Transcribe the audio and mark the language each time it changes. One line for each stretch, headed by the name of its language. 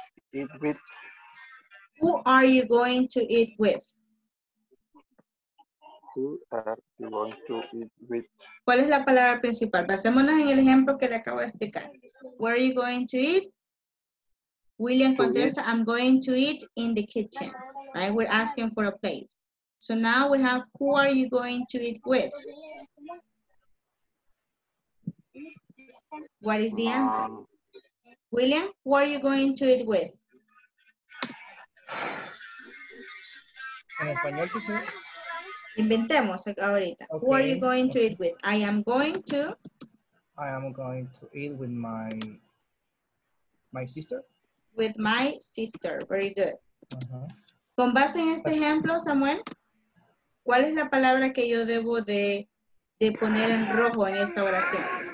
English: Eat with. Who are you going to eat with?
Spanish: ¿Cuál es la palabra principal? Basémonos en el ejemplo que le acabo de explicar.
English: Where are you going to eat? William contesta, I'm going to eat in the kitchen. Right? We're asking for a place. So now we have, who are you going to eat with? What is the answer? William, who are you going to eat with?
Spanish: En español, ¿qué sea? Inventemos ahorita.
English: Okay. Who are you going to eat with? I am going to. I am going to eat with my sister. With my sister. Very good.
Spanish: Con base en este ejemplo, Samuel, ¿cuál es la palabra que yo debo de poner en rojo en esta oración?